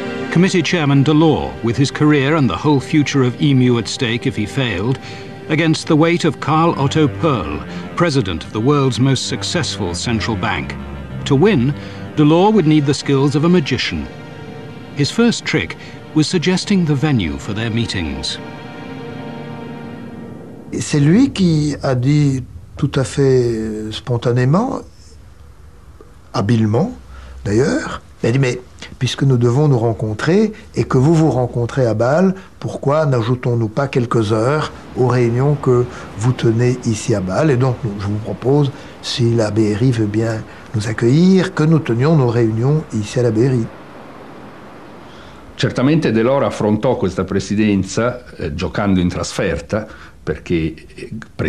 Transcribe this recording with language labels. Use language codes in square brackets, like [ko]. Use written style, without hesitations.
[en] Committee Chairman Delors, with his career and the whole future of EMU at stake if he failed, against the weight of Karl Otto Pearl, president of the world's most successful central bank. To win, Delors would need the skills of a magician. His first trick was suggesting the venue for their meetings. [fr] C'est lui qui a dit tout à fait spontanément, habilement d'ailleurs, il a dit, mais puisque nous devons nous rencontrer et que vous vous rencontrez à Bâle, pourquoi n'ajoutons-nous pas quelques heures aux réunions que vous tenez ici à Bâle? Et donc, je vous propose, si la BRI veut bien nous accueillir, que nous tenions nos réunions ici à la BRI. [it] Certamente Delors affrontò questa presidenza giocando in trasferta, perché...